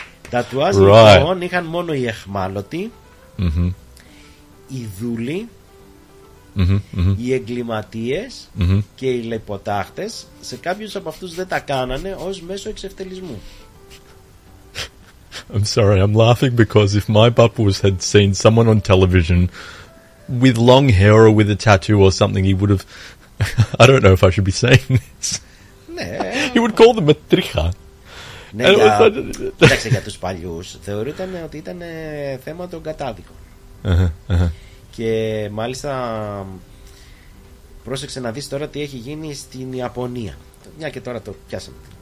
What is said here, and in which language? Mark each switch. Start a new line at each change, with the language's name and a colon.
Greek: Τατουάζ λοιπόν είχαν μόνο οι εχμάλωτοι, οι δούλοι, οι εγκληματίες και οι λιποτάχτες. Σε κάποιους από αυτούς δεν τα κάνανε ως μέσο εξευτελισμού.
English: I'm sorry, I'm laughing because if my papus had seen someone on television with long hair or with a tattoo or something, he would have... I don't know if I should be saying this. He would call them a tricha.
Greek: Ναι, για... Κοιτάξτε, για τους παλιούς θεωρούταν ότι ήταν θέμα των κατάδικων. Και μάλιστα πρόσεξε να δεις τώρα τι έχει γίνει στην Ιαπωνία. Μια και τώρα το πιάσαμε.